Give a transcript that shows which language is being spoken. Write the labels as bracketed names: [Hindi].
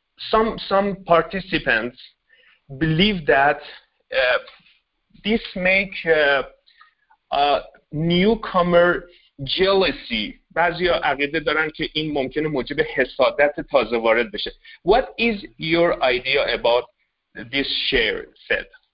[English] Some participants believe that this make a newcomer jealousy. [Persian] بعضی ها عقیده دارن که این ممکنه موجب حسادت تازه وارد بشه. [English] What is your idea about this share, Seth?